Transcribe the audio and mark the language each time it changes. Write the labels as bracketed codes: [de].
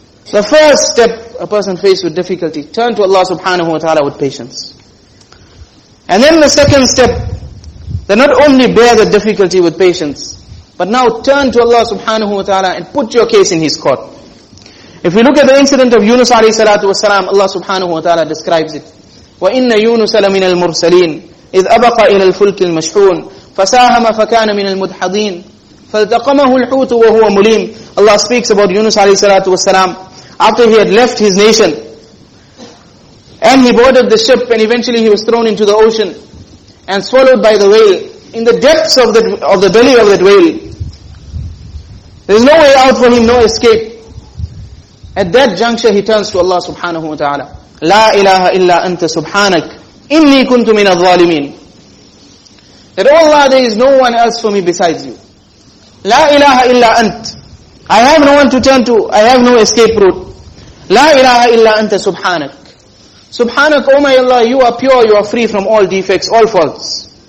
[en] The first step, a person faced with difficulty, turn to Allah subhanahu wa ta'ala with patience. And then the second step, They not only bear the difficulty with patience, but now turn to Allah subhanahu wa ta'ala and put your case in His court. If we look at the incident of Yunus alayhi salatu wasalam, Allah subhanahu wa ta'ala describes it. [ar] وَإِنَّ يُونُسَ لَمِنَ الْمُرْسَلِينَ إِذْ أَبَقَ إِلَى الْفُلْكِ الْمَشْحُونَ فَسَاهَمَ فَكَانَ مِنَ الْمُدْحَضِينَ فَالْتَقَمَهُ الْحُوتُ وَهُوَ مُلِيمٌ [en] Allah speaks about Yunus alayhi salatu wasalam after he had left his nation. And he boarded the ship and eventually he was thrown into the ocean and swallowed by the whale. In the depths of the belly of that whale, there is no way out for him, no escape. At that juncture, he turns to Allah subhanahu wa ta'ala. [ar] لا إله إلا أنت سبحانك إني كنت من الظالمين. [en] That, oh Allah, there is no one else for me besides you. [ar] لا إله إلا أنت. [en] I have no one to turn to. I have no escape route. [ar] لا إله إلا أنت سبحانك. سبحانك, [en] oh my Allah, you are pure, you are free from all defects, all faults.